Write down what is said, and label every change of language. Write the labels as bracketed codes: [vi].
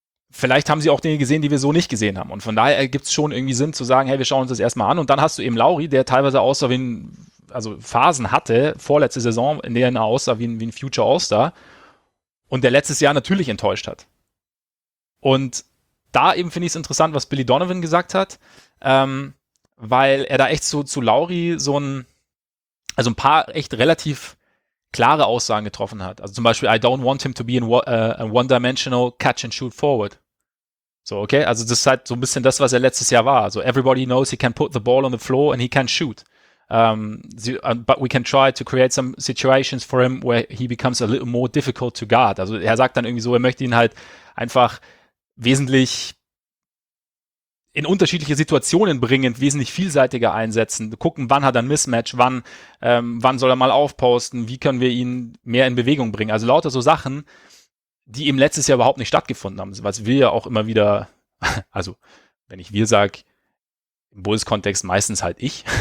[de] Vielleicht haben sie auch Dinge gesehen, die wir so nicht gesehen haben. Und von daher ergibt es schon irgendwie Sinn zu sagen, hey, wir schauen uns das erstmal an. Und dann hast du eben Lauri, der teilweise aussah wie ein, also Phasen hatte, vorletzte Saison, in denen er aussah wie ein Future All-Star. Und der letztes Jahr natürlich enttäuscht hat. Und da eben finde ich es interessant, was Billy Donovan gesagt hat, weil er da echt so zu Lauri so ein, also ein paar echt relativ klare Aussagen getroffen hat. Also zum Beispiel, [en] I don't want him to be a one-dimensional catch-and-shoot-forward. So, okay? [de] Also das ist halt so ein bisschen das, was er letztes Jahr war. [en] So, everybody knows he can put the ball on the floor and he can shoot. But we can try to create some situations for him where he becomes a little more difficult to guard. [de] Also er sagt dann irgendwie so, er möchte ihn halt einfach wesentlich in unterschiedliche Situationen bringen, wesentlich vielseitiger einsetzen, gucken, wann hat er ein Mismatch, wann soll er mal aufposten, wie können wir ihn mehr in Bewegung bringen. Also lauter so Sachen, die eben letztes Jahr überhaupt nicht stattgefunden haben, was wir ja auch immer wieder, also wenn ich wir sage, im Bulls-Kontext meistens halt ich.